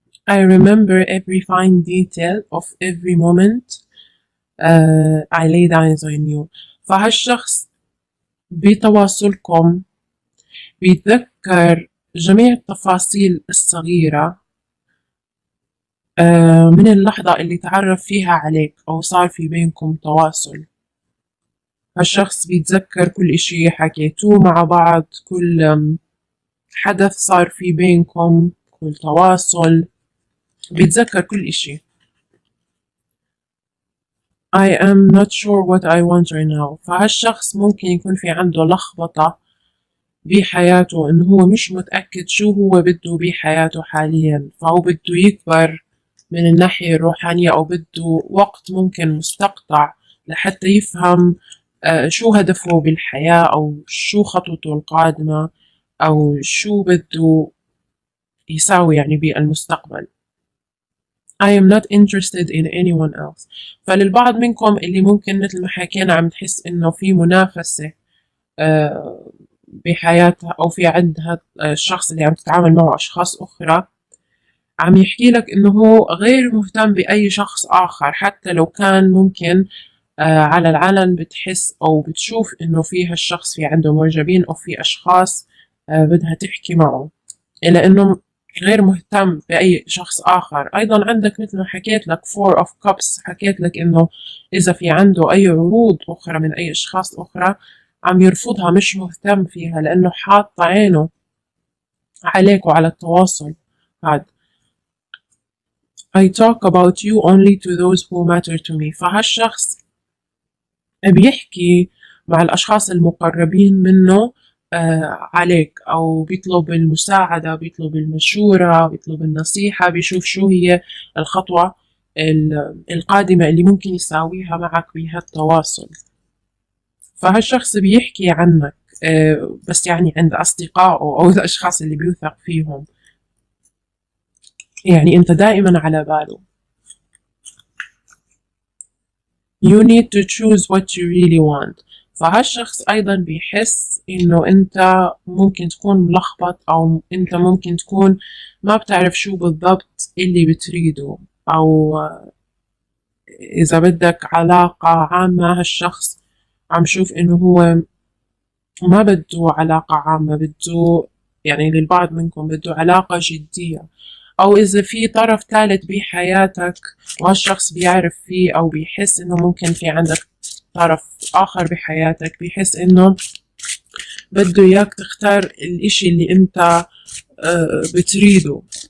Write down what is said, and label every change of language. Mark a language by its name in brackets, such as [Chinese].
[English] I remember every fine detail of every moment I laid eyes on you. [Arabic] فهالشخص بتواصلكم بيتذكر جميع التفاصيل الصغيرة من اللحظة اللي تعرف فيها عليك أو صار في بينكم تواصل. هالشخص بيتذكر كل إشي حكيتوه مع بعض، كل حدث صار في بينكم، كل تواصل، بيتذكر كل إشي. [English] I am not sure what I want right now. [Arabic] فهالشخص ممكن يكون في عنده لخبطة بحياته، إنه هو مش متأكد شو هو بده بحياته حاليا، فهو بده يكبر من الناحية الروحانية أو بده وقت ممكن مستقطع لحتى يفهم شو هدفه بالحياة أو شو خطوته القادمة أو شو بده يساوي يعني بالمستقبل. [English] I am not interested in anyone else. [Arabic] فللبعض منكم اللي ممكن مثل ما حكينا عم تحس انه في منافسة بحياتها او في عندها الشخص اللي عم تتعامل معه اشخاص اخرى، عم يحكي لك انه هو غير مهتم باي شخص اخر، حتى لو كان ممكن على العلن بتحس او بتشوف انه في هالشخص في عنده معجبين او في اشخاص بدها تحكي معه، الا انه غير مهتم بأي شخص آخر. أيضا عندك مثل ما حكيت لك Four of Cups، حكيت لك إنه إذا في عنده أي عروض أخرى من أي أشخاص أخرى عم يرفضها، مش مهتم فيها لأنه حاط عينه عليك وعلى التواصل. بعد [English] I talk about you only to those who matter to me. [Arabic] فهالشخص بيحكي مع الأشخاص المقربين منه عليك، أو بيطلب المساعدة، بيطلب المشورة، بيطلب النصيحة، بيشوف شو هي الخطوة القادمة اللي ممكن يساويها معك بهالتواصل. فهالشخص بيحكي عنك بس يعني عند أصدقائه أو الأشخاص اللي بيوثق فيهم، يعني أنت دائما على باله. [English] You need to choose what you really want. [Arabic] فهالشخص أيضا بيحس إنه أنت ممكن تكون ملخبط أو أنت ممكن تكون ما بتعرف شو بالضبط اللي بتريده، أو إذا بدك علاقة عامة، هالشخص عم شوف إنه هو ما بده علاقة عامة، بده يعني للبعض منكم بده علاقة جدية، أو إذا في طرف ثالث بحياتك وهالشخص بيعرف فيه أو بيحس إنه ممكن في عندك طرف آخر بحياتك، بيحس إنه بده إياك تختار الإشي اللي أنت بتريده.